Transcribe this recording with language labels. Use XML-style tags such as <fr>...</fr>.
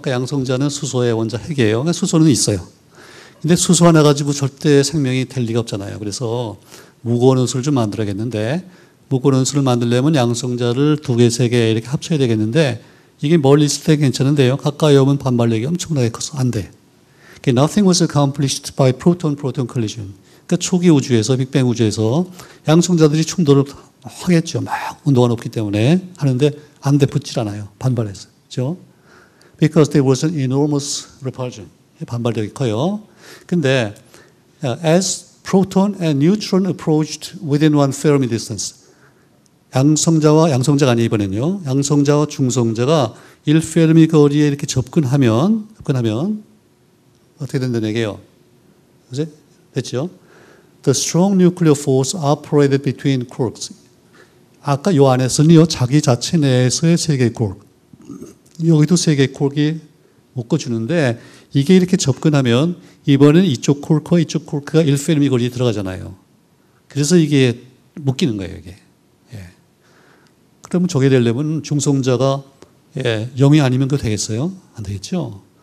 <ko>그러니까 양성자는 수소의 원자 핵이에요. 그러니까 수소는 있어요. 근데 수소 하나 가지고 절대 생명이 될 리가 없잖아요. 그래서 무거운 원소를 좀 만들어야겠는데, 무거운 원소를 만들려면 양성자를 두 개, 세 개 이렇게 합쳐야 되겠는데, 이게 멀리 있을 때 괜찮은데요. 가까이 오면 반발력이 엄청나게 커서 안 돼.</ko> <en>Okay, nothing was accomplished by proton-proton collision.</en> <ko>그러니까 초기 우주에서, 빅뱅 우주에서 양성자들이 충돌을 확 했죠. 막 온도가 높기 때문에 하는데 안 돼 붙질 않아요. 반발했어요. 그렇죠?</ko> <en>Because there was an enormous repulsion.</en> <ko>반발력이 커요. 근데</ko> <en>as proton and neutron approached within one Fermi distance,</en> <ko>양성자가 아니에요, 이번에는요. 양성자와 중성자가 1페르미 거리에 이렇게 접근하면, 어떻게 된다는 얘기예요? 그제? 됐죠?</ko> <en>The strong nuclear force operated between quarks.</en> <ko>아까 요 안에서는요, 자기 자체 내에서의 세 개의 quark. 여기도 세 개의 quark이 묶어주는데, 이게 이렇게 접근하면, 이번엔 이쪽 quark과 이쪽 quark가 1페르미 거리에 들어가잖아요. 그래서 이게 묶이는 거예요, 이게. 그러면 저게 되려면 중성자가 0이 아니면 그거 되겠어요? 안 되겠죠?</ko>